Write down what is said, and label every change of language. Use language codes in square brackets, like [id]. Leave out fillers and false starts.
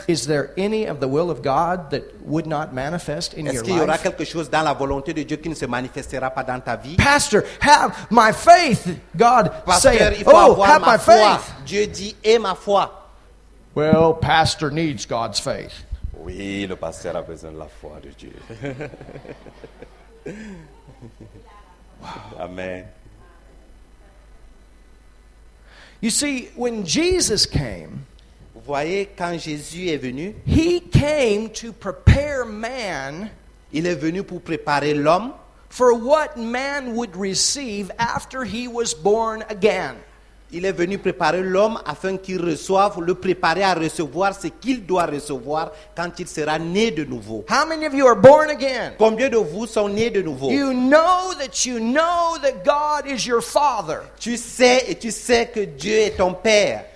[en] Is there any of the will of God that would not manifest in your life? [fr] Est-ce qu'il y aura quelque chose dans la volonté de Dieu qui ne se manifestera pas dans ta vie? [en] Pastor, have my faith, God said. Oh, have my [fr] foi. [en] Faith. [fr] Dieu dit, aie ma foi. [en] Well, pastor needs God's faith. [fr] Oui, le pasteur a besoin de la foi de Dieu. [en] Wow. Amen. You see, when Jesus came, [fr] vous voyez, quand Jésus est venu, [en] he came to prepare man, [fr] il est venu pour préparer l'homme, [en] for what man would receive after he was born again. [fr] Il est venu préparer l'homme afin qu'il reçoive, le préparer à recevoir ce qu'il doit recevoir quand il sera né de nouveau. [en] How many of you are born again? [fr] Combien de vous sont nés de nouveau? [en] You know that you know that God is your father. [fr] Tu sais et tu sais que Dieu est ton père.